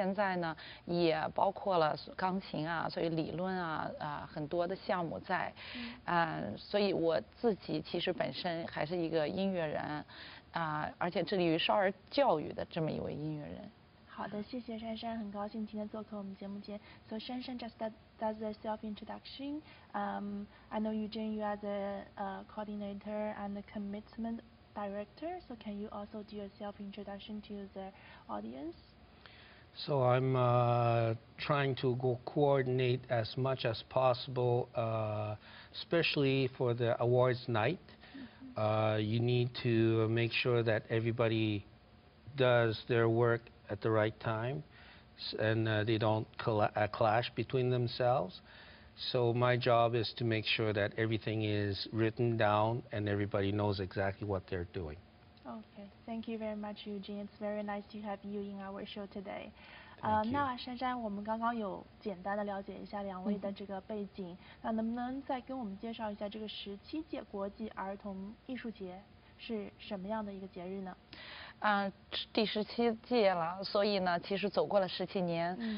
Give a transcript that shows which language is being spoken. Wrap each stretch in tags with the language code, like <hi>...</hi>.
<zh>现在呢也包括了钢琴啊，所以理论啊很多的项目在所以我自己其实本身还是一个音乐人而且致力于少儿教育的这么一位音乐人。好的，谢谢珊珊，很高兴今天做客我们节目间。</zh> <en>So Shanshan just does a self-introduction. I know Eugene, you are the coordinator and the commitment director. So can you also do a self-introduction to the audience? So I'm trying to go coordinate as much as possible, especially for the awards night. You need to make sure that everybody does their work at the right time, and they don't clash between themselves. So my job is to make sure that everything is written down and everybody knows exactly what they're doing. Okay, thank you very much, Eugene. It's very nice to have you in our show today. Thank you.</en> <zh>那珊珊，我们刚刚有简单的了解一下两位的这个背景，那能不能再跟我们介绍一下这个十七届国际儿童艺术节是什么样的一个节日呢？第十七届了，所以呢其实走过了十七年。</zh>